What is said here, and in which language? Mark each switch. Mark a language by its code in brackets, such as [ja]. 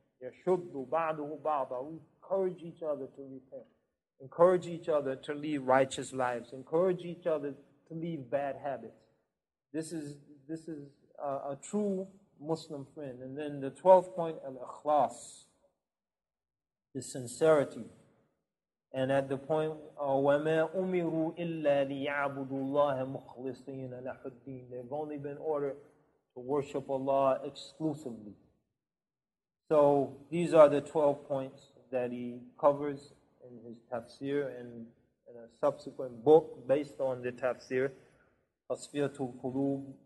[ar] Yashuddu ba'duhu ba'da. [en] We encourage each other to repent. Encourage each other to lead righteous lives. Encourage each other to leave bad habits. This is a true Muslim friend. And then the 12th point, al-ikhlas, the sincerity. And at the point, [ar] وَمَا أُمِرُوا إِلَّا لِيَعْبُدُوا اللَّهَ مُخْلِصِينَ لَحُ الدِّينَ. [en] They've only been ordered to worship Allah exclusively. So these are the 12 points that he covers in his tafsir and in a subsequent book based on the tafsir, Tasfiyatul Qulub.